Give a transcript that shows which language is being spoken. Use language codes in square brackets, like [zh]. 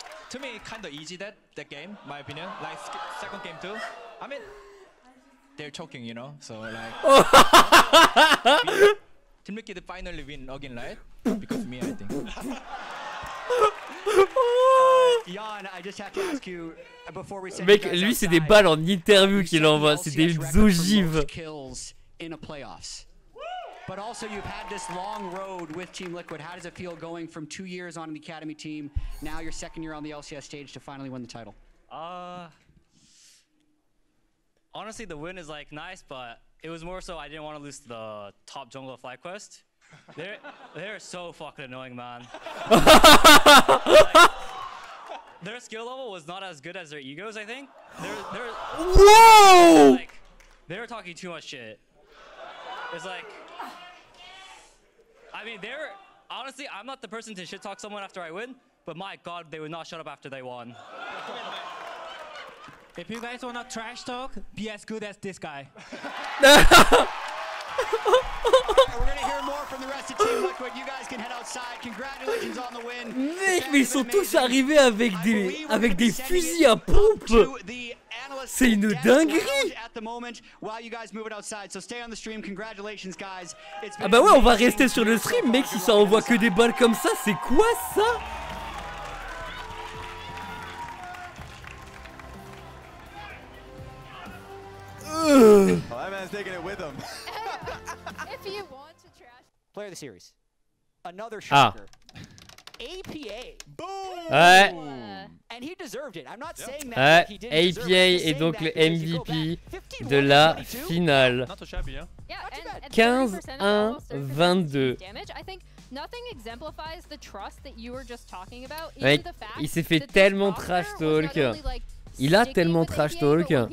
[en] To me, kind of easy that game, my opinion. Like second game too. I mean, they're choking, you know. So like, Team Liquid finally win again, right? Because of me, I think. Yann, I just have to ask you before we. [fr] Mec, lui, c'est des balles en interview qu'il envoie. C'est des ogives. [en] Kills in a playoffs. But also, you've had this long road with Team Liquid. How does it feel going from 2 years on the academy team, now your second year on the LCS stage, to finally win the title? Honestly, the win is like nice, but it was more so I didn't want to lose to the top jungle of FlyQuest. They're so fucking annoying, man. Like, their skill level was not as good as their egos, I think. Whoa! Like, they were talking too much shit. It's like. I mean, they're honestly, I'm not the person to shit talk someone after I win, but my god, they would not shut up after they won. If you guys wanna trash talk, be as good as this guy. Alright, we're gonna hear more from the rest of Team Liquid. You guys can head outside. Congratulations on the win. [fr] Mec, mais ils sont tous arrivés avec des fusils à pompe. C'est une dinguerie. [en] While you guys move it outside, so stay on the stream. Congratulations, guys. [fr] Ah bah ouais, on va rester sur le stream, mec. Si ça envoie que des balles comme ça, c'est quoi ça? [en] Well, that man's taking it with him. If you want to trash player of the series, another shocker. APA. Boom. Ouais. And he deserved it. I'm not saying that ouais. [fr] APA est donc le MVP de la finale. 15-1-22. [en] Nothing exemplifies the trust that you were just talking about. Even [fr] ouais, [en] the fact [fr] il s'est fait tellement trash talk. Il a tellement trash talk.